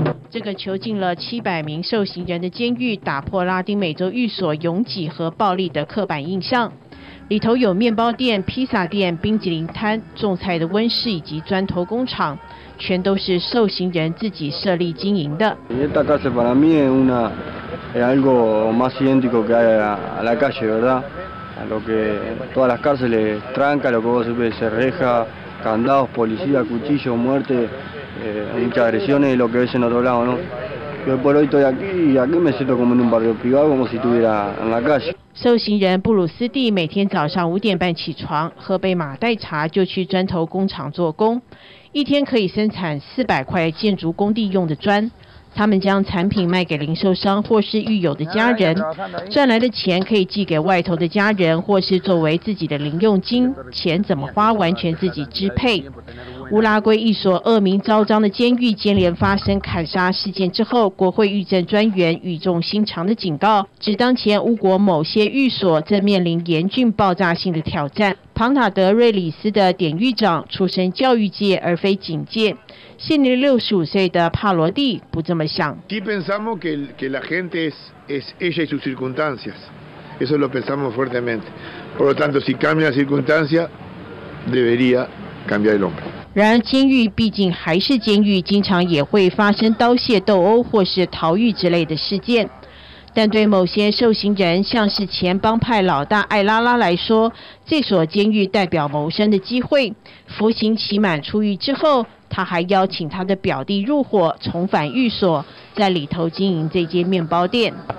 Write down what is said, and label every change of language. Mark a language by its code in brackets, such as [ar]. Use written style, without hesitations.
[zh] 这个囚禁了700名受刑人的监狱，打破拉丁美洲狱所拥挤和暴力的刻板印象。里头有面包店、披萨店、冰淇淋摊、种菜的温室以及砖头工厂，全都是受刑人自己设立经营的。 [es] Esta casa para mí es una es algo más idéntico que hay a la calle, ¿verdad? A lo que todas las cárceles tranca, lo que vos ves, se reja, candados, policía, cuchillo, muerte, muchas agresiones y lo que ves en otro lado, ¿no? Yo por hoy estoy aquí y aquí me siento como en un barrio privado, como si estuviera en la calle. [zh] 受刑人布鲁斯蒂每天早上5:30起床，喝杯马黛茶，就去砖头工厂做工。一天可以生产400块建筑工地用的砖。他们将产品卖给零售商或是狱友的家人，赚来的钱可以寄给外头的家人，或是作为自己的零用金。钱怎么花，完全自己支配。乌拉圭一所恶名昭彰的监狱接连发生砍杀事件之后，国会狱政专员语重心长的警告，指当前乌国某些狱所正面临严峻爆炸性的挑战。庞塔德瑞里斯的典狱长出身教育界而非警界，现年65岁的帕罗蒂不这么想。 [es] Si pensamos que la gente es ella y sus circunstancias, eso lo pensamos fuertemente. Por lo tanto, si cambia la circunstancia, debería cambiar el hombre. [zh] 然而监狱毕竟还是监狱，经常也会发生刀械斗殴或是逃狱之类的事件，但对某些受刑人，像是前帮派老大艾拉拉来说，这所监狱代表谋生的机会。服刑期满出狱之后，他还邀请他的表弟入伙重返狱所，在里头经营这间面包店。